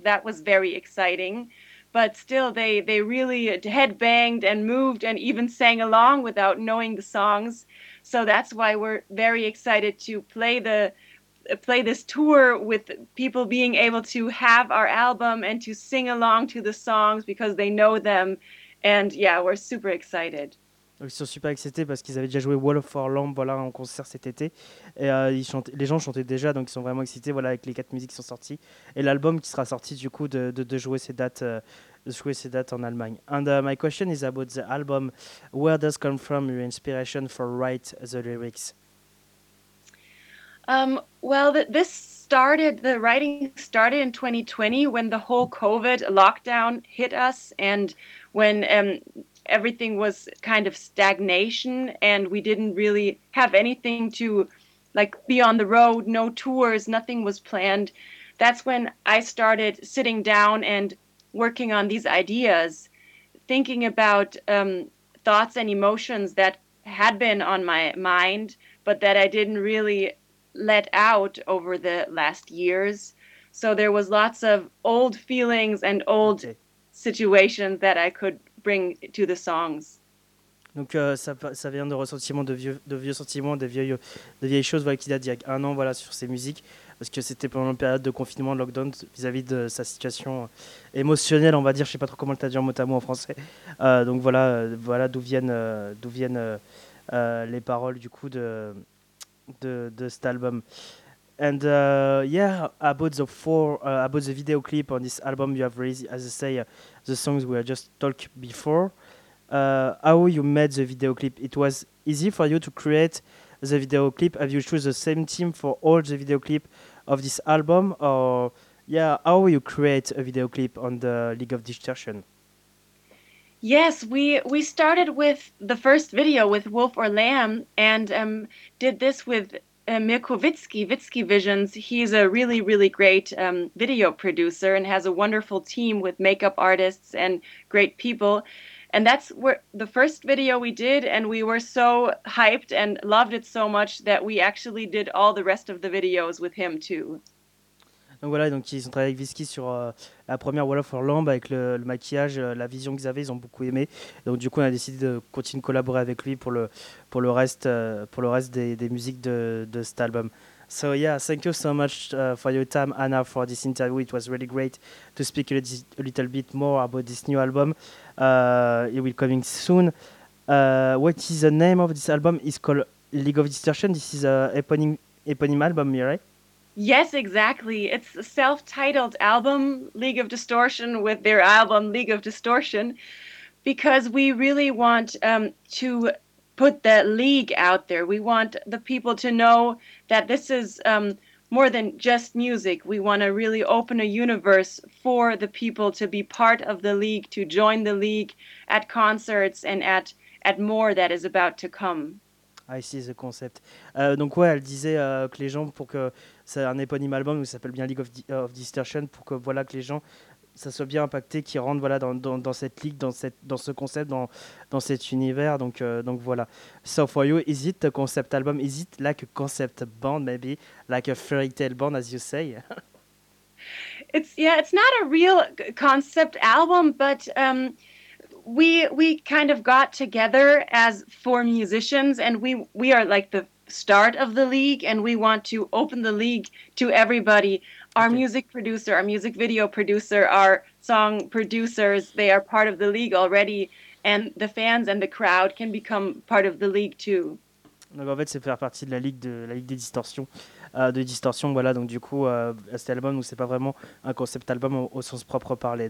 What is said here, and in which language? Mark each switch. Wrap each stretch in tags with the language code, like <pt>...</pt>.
<en>That was very exciting. But still, they really headbanged and moved and even sang along without knowing the songs. So that's why we're very excited to play this tour with people being able to have our album and to sing along to the songs because they know them. And yeah, we're super excited.</en> <fr>Ils sont super excités parce qu'ils avaient déjà joué Wolf or Lamb voilà, en concert cet été. Et les gens chantaient déjà, donc ils sont vraiment excités voilà, avec les quatre musiques qui sont sorties. Et l'album qui sera sorti du coup de jouer ces dates, de jouer ces dates en Allemagne.</fr> <en>And my question is about the album. Where does come from your inspiration for write the lyrics? Well, this started, the writing started in 2020 when the whole COVID lockdown hit us and when everything was kind of stagnation and we didn't really have anything to like be on the road, no tours, nothing was planned. That's when I started sitting down and working on these ideas, thinking about thoughts and emotions that had been on my mind, but that I didn't really let out over the last years. So there was lots of old feelings and old situations that I could bring to the songs.</en> <fr>Donc ça vient de ressentiments, de vieux sentiments, de vieilles choses voilà, qui datent d'il y a un an voilà, sur ses musiques, parce que c'était pendant une période de confinement, de lockdown, vis-à-vis de sa situation émotionnelle, on va dire, je ne sais pas trop comment le traduire mot à mot en français. Donc voilà d'où viennent les paroles du coup de cet album.</fr> <en>And about the video clip on this album, you have released, as I say, the songs we have just talked before. How you made the video clip? It was easy for you to create the video clip. Have you chose the same team for all the video clip of this album, or how you create a video clip on the League of Distortion? Yes, we started with the first video with Wolf or Lamb, and did this with Mirko Witzki Visions. He's a really, really great video producer and has a wonderful team with makeup artists and great people. And that's where the first video we did, and we were so hyped and loved it so much that we actually did all the rest of the videos with him too.</en> <fr>Donc voilà, donc ils ont travaillé avec Visky sur la première Wolf or Lamb avec le maquillage, la vision qu'ils avaient, ils ont beaucoup aimé. Donc du coup, on a décidé de continuer de collaborer avec lui pour le reste des musiques de cet album.</fr> <en>So yeah, thank you so much for your time, Anna, for this interview. It was really great to speak a little bit more about this new album. It will coming soon. What is the name of this album? It's called League of Distortion. This is an eponym album, right? Yes, exactly. It's a self-titled album, League of Distortion, with their album, League of Distortion, because we really want to put the league out there. We want the people to know that this is more than just music. We want to really open a universe for the people to be part of the league, to join the league at concerts and at more that is about to come. I see the concept.</en> <fr>Donc ouais, elle disait que les gens, pour que c'est un éponyme album où ça s'appelle bien League of Distortion, pour que voilà, que les gens ça soit bien impacté, qui rentre voilà dans cette ligue, dans ce concept, dans cet univers. Donc voilà.</fr> <en>So for you, is it a concept album? Is it like a concept band, maybe like a fairy tale band, as you say? It's not a real concept album, but we kind of got together as four musicians, and we are like the start of the league, and we want to open the league to everybody. Our music producer, our music video producer, our song producers, they are part of the league already, and the fans and the crowd can become part of the league too.</en> <fr>Donc en fait, c'est faire partie de la ligue des distorsions, de distorsions, voilà. Donc du coup, cet album, donc c'est pas vraiment un concept album au sens propre parlé.</fr>